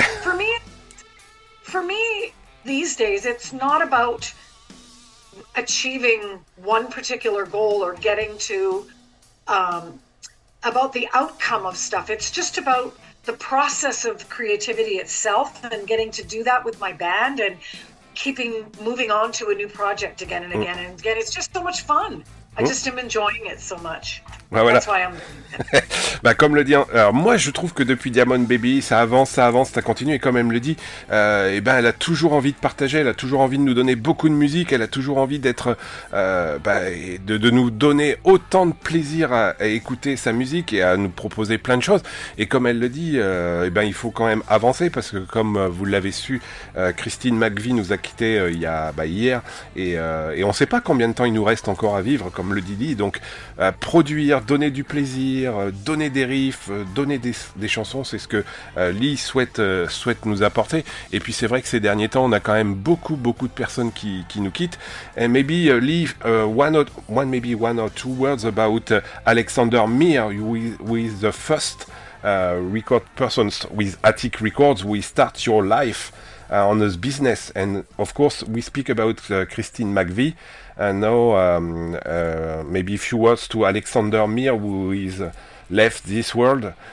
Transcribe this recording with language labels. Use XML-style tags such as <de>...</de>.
<en>For me, these days, it's not about achieving one particular goal or getting to about the outcome of stuff. It's just about the process of creativity itself and getting to do that with my band and keeping moving on to a new project again and again and again. It's just so much fun. I just am enjoying it so much.</en> <fr>Bah voilà.</fr> <en>That's why I'm</en> <fr>Bah comme le dit, alors moi je trouve que depuis Diamond Baby, ça avance, ça continue, et comme elle me le dit, elle a toujours envie de partager, elle a toujours envie de nous donner beaucoup de musique, elle a toujours envie d'être de nous donner autant de plaisir à écouter sa musique et à nous proposer plein de choses. Et comme elle le dit, il faut quand même avancer, parce que comme vous l'avez su, Christine McVie nous a quitté hier, et on sait pas combien de temps il nous reste encore à vivre, comme le dit Lee. Donc produire, donner du plaisir, donner des riffs, donner des chansons, c'est ce que Lee souhaite nous apporter. Et puis c'est vrai que ces derniers temps, on a quand même beaucoup beaucoup de personnes qui nous quittent.</fr> <en>And maybe Lee, one or two words about Alexander Meir, with the first record persons with Attic Records, we start your life on his business. And of course, we speak about Christine McVie. And now, maybe a few words to Alexander Mir, who is left this world.</en>